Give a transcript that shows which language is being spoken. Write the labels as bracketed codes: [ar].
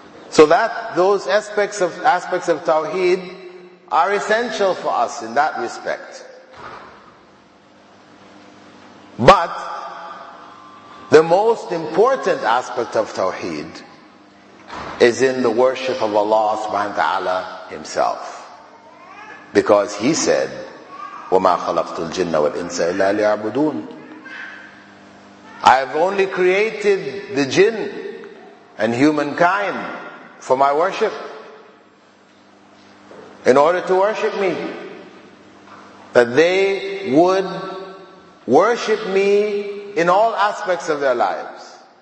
[en] So that those aspects of Tawheed are essential for us in that respect. But the most important aspect of Tawheed is in the worship of Allah subhanahu wa ta'ala himself. Because he said, [ar] وَمَا خَلَقْتُ الْجِنَّ وَالْإِنسَ إِلَّا لِيَعْبُدُونَ. [en] I have only created the jinn and humankind for my worship, in order to worship me, that they would worship me in all aspects of their lives.